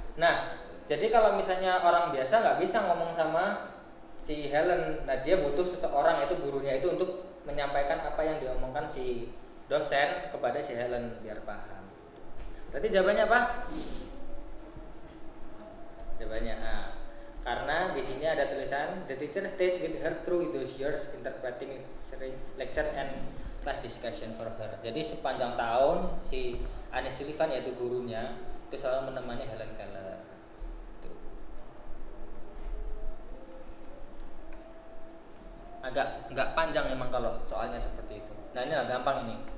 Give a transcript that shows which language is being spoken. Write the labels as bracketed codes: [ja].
[id] Nah, jadi kalau misalnya orang biasa nggak bisa ngomong sama si Helen, nah dia butuh seseorang, yaitu gurunya itu, untuk menyampaikan apa yang diomongkan si dosen kepada si Helen biar paham. Berarti jawabannya apa? Jawabannya A. Karena di sini ada tulisan [en] the teacher stayed with her through those years interpreting lecture and class discussion for her. [id] Jadi sepanjang tahun si Anne Sullivan, yaitu gurunya, itu selalu menemani Helen Keller. Agak panjang emang kalau soalnya seperti itu. Nah ini lah gampang ini.